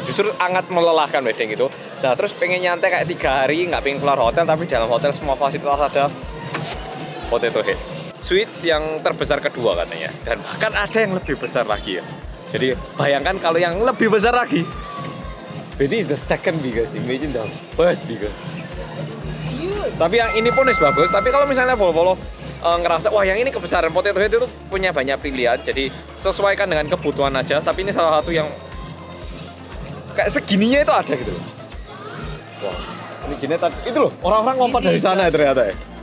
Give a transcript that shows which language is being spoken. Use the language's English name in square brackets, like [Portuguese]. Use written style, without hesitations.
[Indonesian] Justru sangat melelahkan wedding itu. Nah, terus pengen nyantai kayak 3 hari, nggak pengen keluar hotel, tapi dalam hotel semua fasilitas ada potato head. Suites yang terbesar kedua katanya. Dan bahkan ada yang lebih besar lagi ya. Jadi bayangkan kalau yang lebih besar lagi. [English] Berarti is the second biggest. Imagine the first biggest. [Indonesian] Tapi yang ini pun is bagus. Tapi kalau misalnya polo-polo ngerasa, wah yang ini kebesaran, potato head itu punya banyak pilihan, jadi sesuaikan dengan kebutuhan aja, tapi ini salah satu yang kayak segininya itu ada gitu loh. Wah, ini jenisnya tadi, itu loh, orang-orang lompat dari sana ya ternyata ya.